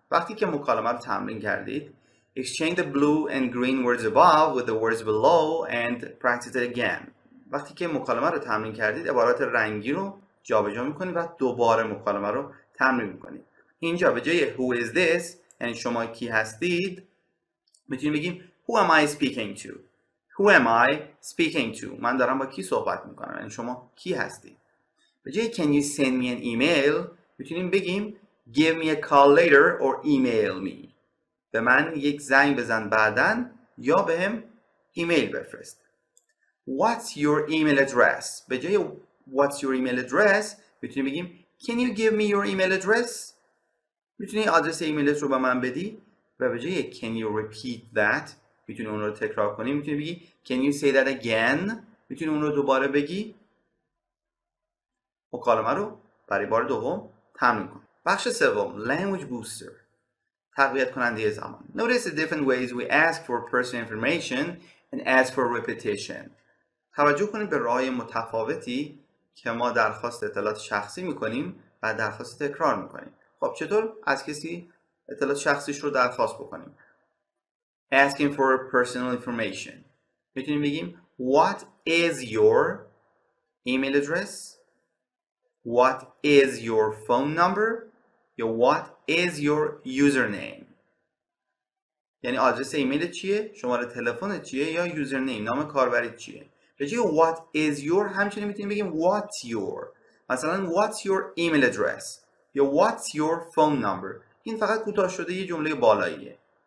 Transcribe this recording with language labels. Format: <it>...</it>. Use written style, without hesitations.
<fa>وقتی که مکالمه رو تمرین کردید،</fa> <en>exchange the blue and green words above with the words below and practice it again.</en> <fa>وقتی که مکالمه رو تمرین کردید، عبارات رنگی رو جابجا میکنید و دوباره مکالمه رو تمرین میکنید. اینجا به جای</fa> <en>who is this،</en> <fa>یعنی شما کی هستید، میتونیم بگیم</fa> <en>who am I speaking to. Who am I speaking to؟</en> <fa>من دارم با کی صحبت میکنم، یعنی شما کی هستید. به جای</fa> <en>can you send me an email،</en> <fa>میتونیم بگیم</fa> <en>give me a call later or email me.</en> <fa>به من یک زنگ بزن بعدن یا به هم ایمیل بفرست.</fa> <en>What's your email address؟</en> <fa>به جای</fa> <en>what's your email address</en> <fa>میتونی بگیم</fa> <en>can you give me your email address؟</en> <fa>میتونی آدرس ایمیلت رو به من بدی و به جای</fa> <en>can you repeat that</en> <fa>میتونی اون رو تکرار کنی، میتونی بگی</fa> <en>can you say that again،</en> <fa>میتونی اون رو دوباره بگی. مکالمه رو برای بار دوم تمرین کن. بخش سوم،</fa> <en>language booster،</en> <fa>تقویت کننده زبان.</fa> <en>Notice the different ways we ask for personal information and ask for repetition.</en> <fa>توجه کنید به راه متفاوتی که ما درخواست اطلاعات شخصی میکنیم و درخواست تکرار میکنیم. خب چطور از کسی اطلاعات شخصیش رو درخواست بکنیم؟</fa> <en>Asking for personal information.</en> <fa>میتونیم بگیم</fa> <en>What is your email address? What is your phone number?</en> <fa>یا</fa> <en>What is your</en> <fa>username؟ یعنی آدرس ایمیل چیه؟ شماره تلفن چیه؟ یا username؟ نام کاربری چیه؟ به جای What is your همچنین میتونیم بگیم</fa> <en>What's your؟</en> <fa>مثلا</fa> <en>What's your email address؟</en> <fa>یا</fa> <en>What's your phone number؟</en> <fa>این فقط کوتاه شده یه جمله بالاییه.</fa>